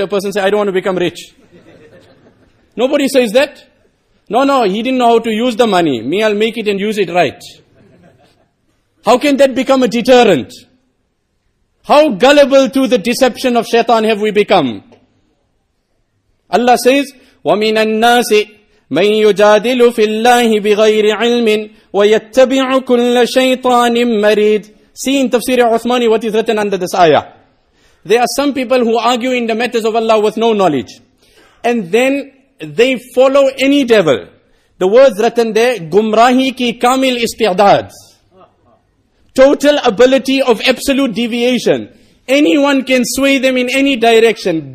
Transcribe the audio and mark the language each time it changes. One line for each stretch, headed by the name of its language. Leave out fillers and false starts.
English: A person said, I don't want to become rich. Nobody says that. No, he didn't know how to use the money. Me, I'll make it and use it right. How can that become a deterrent? How gullible to the deception of shaitan have we become? Allah says,
Arabic: وَمِنَ النَّاسِ مَنْ يُجَادِلُ فِي اللَّهِ بِغَيْرِ عِلْمٍ وَيَتَّبِعُ كُلَّ شَيْطَانٍ مَرِيدٍ.
English: See in Tafsir Uthmani what is written under this ayah. There are some people who argue in the matters of Allah with no knowledge. And then they follow any devil. The words written there,
Urdu: gumrahi ki kamil istidad.
English: Total ability of absolute deviation. Anyone can sway them in any direction.